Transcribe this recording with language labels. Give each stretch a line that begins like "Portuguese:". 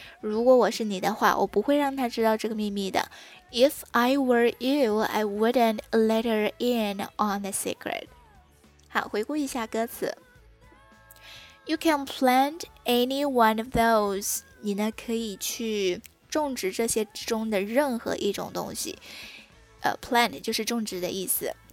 Chinese: 如果我是你的话，我不会让她知道这个秘密的。
English: If I were you, I wouldn't let her in on a secret.
Chinese: 好，回顾一下歌词。
English: You can plant any one of those.
Chinese: 你呢可以去种植这些之中的任何一种东西。 Plant 就是种植的意思。